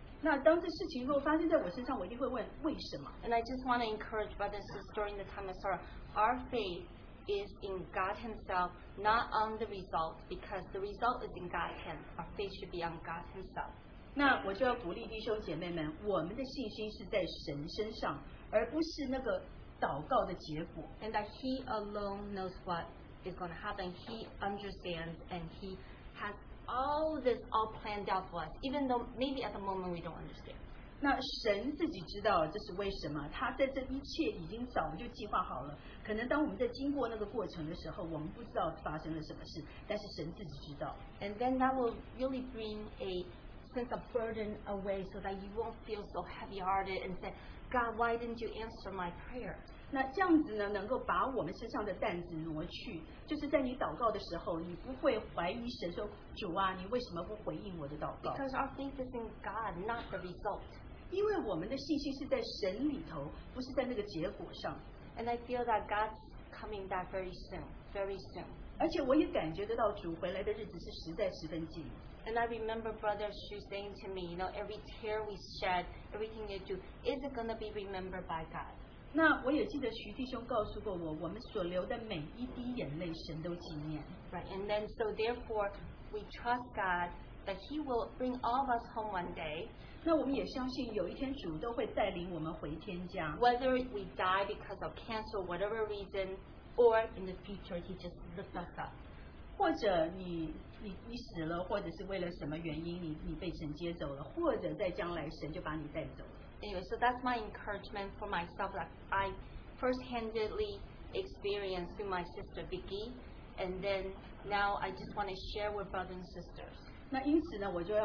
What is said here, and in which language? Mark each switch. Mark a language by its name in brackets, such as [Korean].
[Chinese] 那当这事情如果发生在我身上，我一定会问为什么。 [English] And I just want to encourage brothers and sisters during the time of sorrow. Our faith is in God Himself, not on the result, because the result is in God's hands. Our faith should be on God Himself. [Chinese] 那我就要鼓励弟兄姐妹们, 我们的信心是在神身上, 而不是那个祷告的结果。 [English] And that He alone knows what is going to happen. He understands and He has all this all planned out for us, even though maybe at the moment we don't understand. [Chinese] 那神自己知道这是为什么, 他在这一切已经早就计划好了。可能当我们在经过那个过程的时候, 我们不知道发生了什么事, 但是神自己知道。 [English] And then that will really bring a sense of burden away so that you won't feel so heavy hearted and say, God, why didn't you answer my prayer? [Chinese] 那这样子呢, 能够把我们身上的担子挪去, 就是在你祷告的时候, 你不会怀疑神说, 主啊, 你为什么不回应我的祷告? [English] Because our faith is in God, not the result. [Chinese] 因为我们的信心是在神里头, 不是在那个结果上。 [English] And I feel that God's coming back very soon, very soon. [Chinese] 而且我也感觉得到主回来的日子是实在十分近。 [English] And I remember Brother Xu saying to me, you know, every tear we shed, everything you do, is it going to be remembered by God? [Chinese] 那我也记得徐弟兄告诉过我, 我们所流的每一滴眼泪神都纪念。 [English] Right, and then so therefore, we trust God that He will bring all of us home one day. [Chinese] 那我们也相信有一天主都会带领我们回天家。 [English] Whether we die because of cancer, whatever reason, or in the future, He just lifts us up. [Chinese] 或者你死了，或者是为了什么原因，你被神接走了，或者在将来神就把你带走。 [English] Anyway, so that's my encouragement for myself that I firsthandedly experienced through my sister Vicky, and then now I just want to share with brothers and sisters.